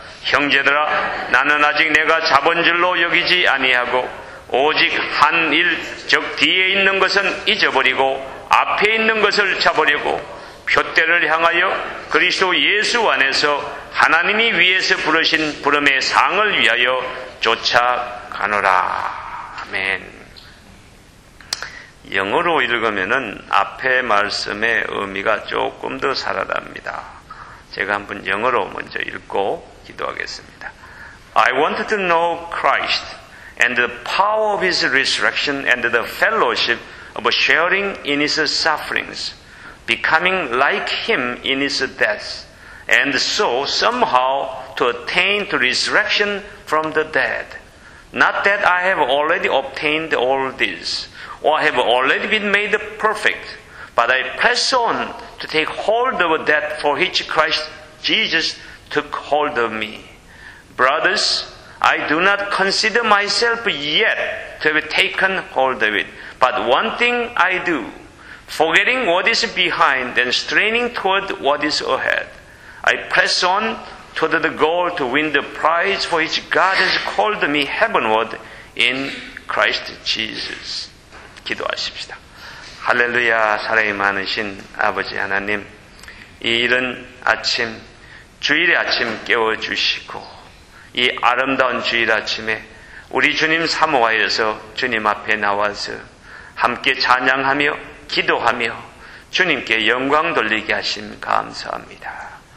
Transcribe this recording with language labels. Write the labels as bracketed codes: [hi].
[ko] 형제들아 나는 아직 내가 잡은 줄로 여기지 아니하고 오직 한 일, 즉 뒤에 있는 것은 잊어버리고 앞에 있는 것을 잡으려고 표대를 향하여 그리스도 예수 안에서 하나님이 위에서 부르신 부름의 상을 위하여 쫓아가노라. 아멘. 영어로 읽으면은 앞에 말씀의 의미가 조금 더 살아납니다. 제가 한번 영어로 먼저 읽고 기도하겠습니다. [en] I want to know Christ and the power of his resurrection and the fellowship of sharing in his sufferings, becoming like him in his death, and so somehow to attain to resurrection from the dead. Not that I have already obtained all this, or have already been made perfect, but I press on to take hold of that for which Christ Jesus took hold of me. Brothers, I do not consider myself yet to have taken hold of it. But one thing I do, forgetting what is behind and straining toward what is ahead, I press on toward the goal to win the prize for which God has called me heavenward in Christ Jesus. [ko] 기도하십시다. 할렐루야, 사랑이 많으신 아버지 하나님, 이 이른 아침 주일의 아침 깨워주시고 이 아름다운 주일 아침에 우리 주님 사모하여서 주님 앞에 나와서 함께 찬양하며 기도하며 주님께 영광 돌리게 하심 감사합니다.